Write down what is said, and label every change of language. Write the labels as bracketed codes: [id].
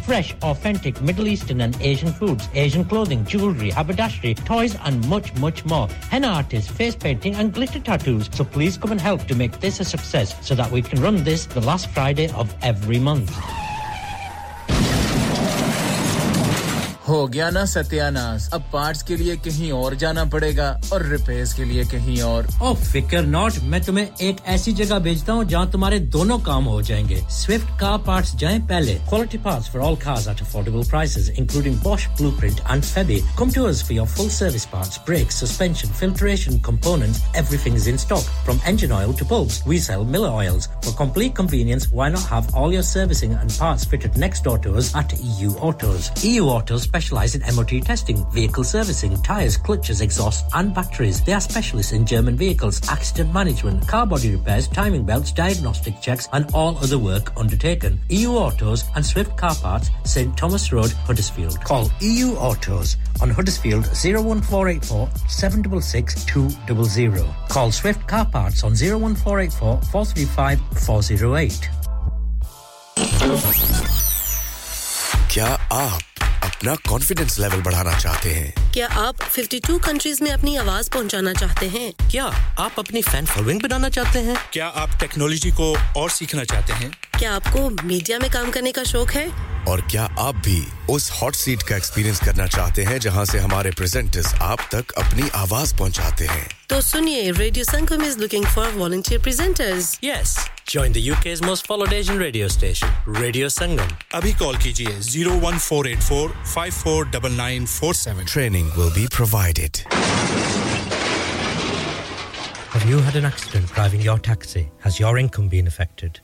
[en] Fresh, authentic Middle Eastern and Asian foods, Asian clothing, jewellery, haberdashery, toys and much, much more. Henna artists, face painting and glitter tattoos. So please come and help to make this a success so that we can run this the last Friday of every month. [hi] हो गया ना सत्यानाश अब parts के लिए कहीं और जाना पड़ेगा और रिपेयर्स के लिए कहीं और [en] ओ फिकर नॉट [hi] मैं तुम्हें एक ऐसी जगह भेजता हूं जहां तुम्हारे दोनों काम हो जाएंगे [en] Swift Car Parts जाएं पहले quality parts for all cars at affordable prices including Bosch Blueprint and Febi come to us for your full service parts brakes suspension filtration components everything is in stock from engine oil to bulbs we sell Miller oils for complete convenience why not have all your servicing and parts fitted next door to us at EU Autos. EU Autos specialize in MOT testing, vehicle servicing, tyres, clutches, exhausts, and batteries. They are specialists in German vehicles, accident management, car body repairs, timing belts, diagnostic checks, and all other work undertaken. EU Autos and Swift Car Parts, St. Thomas Road, Huddersfield. Call EU Autos on Huddersfield 01484 766200. Call Swift Car Parts on 01484 435 408. [hi] क्या आप अपना confidence level बढ़ाना चाहते हैं? क्या आप 52 countries में अपनी आवाज पहुंचाना चाहते हैं? क्या आप अपनी फैन फॉलोइंग बनाना चाहते हैं? क्या आप टेक्नोलॉजी को और सीखना चाहते हैं? क्या आपको मीडिया में काम करने का शौक है? और क्या आप भी उस हॉट सीट का एक्सपीरियंस करना चाहते हैं जहां से हमारे प्रेजेंटर्स आप तक अपनी आवाज पहुंचाते हैं? तो सुनिए, [en] Radio Sangam is looking for volunteer presenters. Yes, join the UK's most followed Asian radio station, Radio Sangam. [hi] Abhi call kijiye 01484-549947. [en] Training will be provided. Have you had an accident driving your taxi? Has your income been affected?